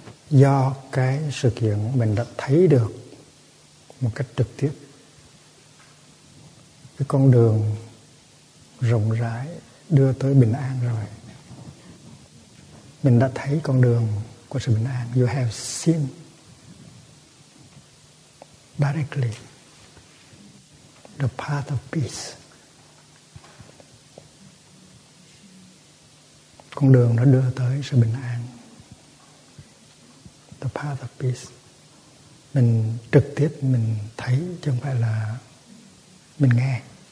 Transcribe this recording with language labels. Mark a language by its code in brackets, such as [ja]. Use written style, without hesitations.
[vi] Do cái sự kiện mình đã thấy được một cách trực tiếp cái con đường rộng rãi đưa tới bình an rồi. Mình đã thấy con đường của sự bình an. [en] You have seen directly the path of peace. [vi] Con đường nó đưa tới sự bình an. [en] The path of peace. [vi] Mình trực tiếp mình thấy chứ không phải là mình nghe.